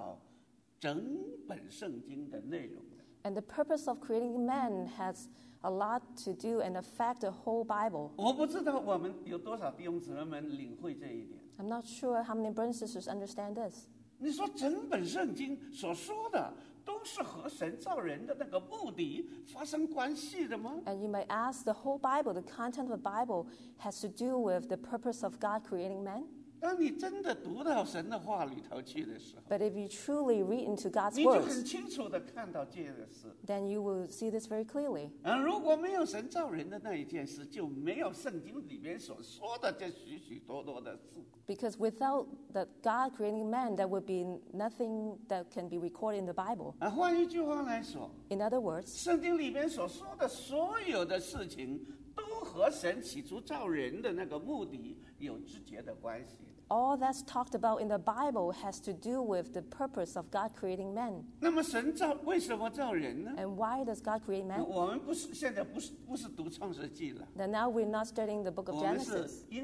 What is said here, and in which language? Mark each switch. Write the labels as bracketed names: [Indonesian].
[Chinese] 神造人的那个目的是连带影响到整本圣经的内容的。 [English] And the purpose of creating man has a lot to do and affect the whole Bible. I'm not sure how many brothers and sisters understand this. [Chinese] 你说整本圣经所说的都是和神造人的那个目的发生关系的吗? [English] And you might ask, the whole Bible, the content of the Bible has to do with the purpose of God creating man? [Chinese] 当你真的读到神的话里头去的时候, [English] But if you truly read into God's words, [Chinese] 你就很清楚地看到这件事, [English] then you will see this very clearly. [Chinese] 如果没有神造人的那一件事, 就没有圣经里面所说的这许许多多的事。 [English] Because without the God creating man, there would be nothing that can be recorded in the Bible. [Chinese] 换一句话来说, [English] In other words, [Chinese] 圣经里面所说的所有的事情, 都和神起初造人的那个目的有直接的关系。 [English] All that's talked about in the Bible has to do with the purpose of God creating men. [Chinese] 那么神造为什么造人呢? [English] And why does God create man? [Chinese] 我们不是现在不是读创世纪了。 [English] Then now we're not studying the book of Genesis.